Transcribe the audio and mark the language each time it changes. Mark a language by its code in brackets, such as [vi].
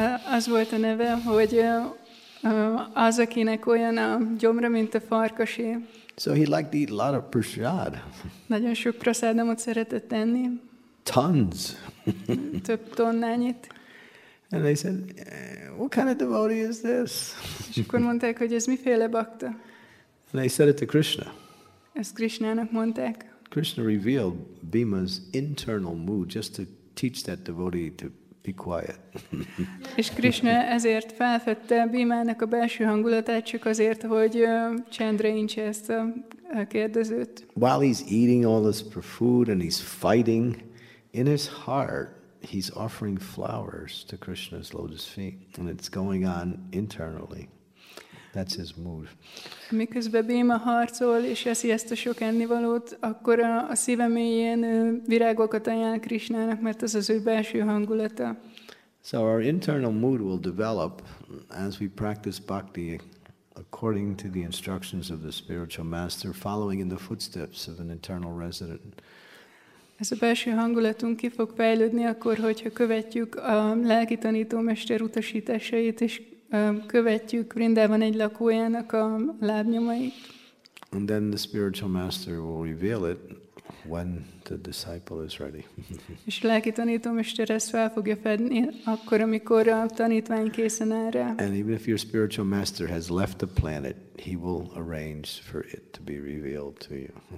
[hu] Az volt a neve, hogy az, akinek olyan a gyomra, mint a farkasé. [en] So he liked to eat a lot of prasad. [hu] Nagyon sok prasadamot szeretett tenni. [en] Tons. [hu] Több tonnányit. [en] And they said, what kind of devotee is this? [hu] És akkor mondták, hogy ez miféle bakta? [en] And they said it to Krishna. [hu] Ezt Krishnának mondták. [en] Krishna revealed Bhima's internal mood just to teach that devotee to be quiet. [hu] És Krishna ezért felfedte Bhimának a belső hangulatát, csak azért, hogy csendre intse ezt a kérdezőt. [en] While he's eating all this food and he's fighting, in his heart, he's offering flowers to Krishna's lotus feet, and it's going on internally. That's his mood. [hu] Miközben Bhima harcol és eszi ezt a sok ennivalót, akkor a szíve mélyén virágokat ajánl Krishnának, mert ez az ő belső hangulata. [en] So our internal mood will develop as we practice bhakti according to the instructions of the spiritual master, following in the footsteps of an internal resident. [hu] Ez a belső hangulatunk ki fog fejlődni akkor, hogyha követjük a lelki tanítómester utasításait, és követjük Vrindavan egy lakójának a lábnyomait. [en] And then the spiritual master will reveal it when the disciple is ready. [hu] És a lelki tanítómester ezt fel fogja fedni akkor, amikor a tanítvány készen áll rá. [en] And even if your spiritual master has left the planet, he will arrange for it to be revealed to you.